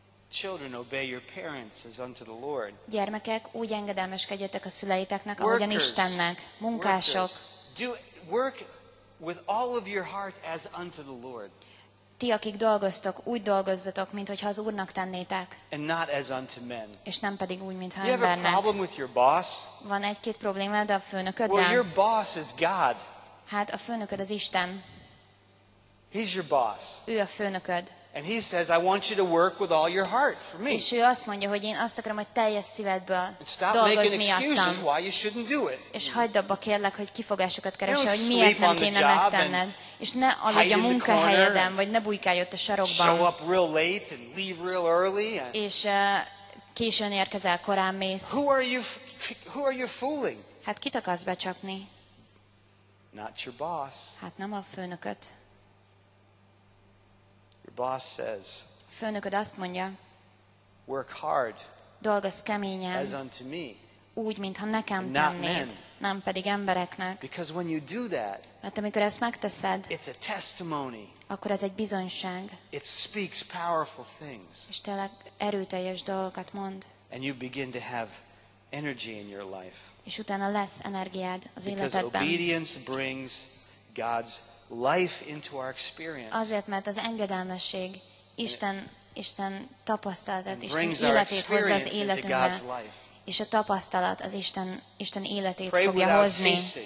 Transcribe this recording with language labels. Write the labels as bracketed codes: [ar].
[en] Children, obey your parents as unto the Lord. [hu] Gyermekek, úgy engedelmeskedjetek a szüleiteknek, ahogyan Istennek. Munkások. [en] Work with all of your heart as unto the Lord. [hu] Ti, akik dolgoztok, úgy dolgozzatok, mintha az Úrnak tennétek. [en] And not as unto men. [hu] És nem pedig úgy, mintha embernek. [en] You have a problem with your boss? [hu] Van egy-két problémád a főnököddel? [en] Well, your boss is God. [hu] Hát a főnököd az Isten. [en] He's your boss. [hu] Ő a főnököd. [en] And he says, I want you to work with all your heart for me. [hu] És ő azt mondja, hogy én azt akarom, hogy teljes szívedből dolgozz miattam. [en] Why you shouldn't do it. [hu] És hagyd abba, kérlek, hogy kifogásokat keresse, hogy miért nem kéne megtenned. És ne aludj a munkahelyeden, vagy ne bújkálj ott a sarokban. [en] Show up real late and leave real early. [hu] És későn érkezel, korán mész. [en] Who are you fooling? [hu] Hát kit akarsz becsapni? [en] Not your boss. [hu] Hát nem a főnököt. [en] Boss says. [hu] Főnököd azt mondja. [en] Work hard. [hu] Dolgozz keményen. [en] As unto me. [hu] Úgy, mintha nekem tennéd. Nem pedig embereknek. [en] Because when you do that. [hu] Mert amikor ezt megteszed. [en] It's a testimony. [hu] Akkor ez egy bizonyság. [en] It speaks powerful things. [hu] És tényleg erőteljes dolgokat mond. [en] And you begin to have energy in your life. [hu] És utána lesz energiád az életedben. [en] Because obedience brings God's life into our experience. [hu] Azért, mert az engedelmesség Isten tapasztalatát, Isten életét hozza az életünkbe. és a tapasztalat az Isten életét pray fogja hozni.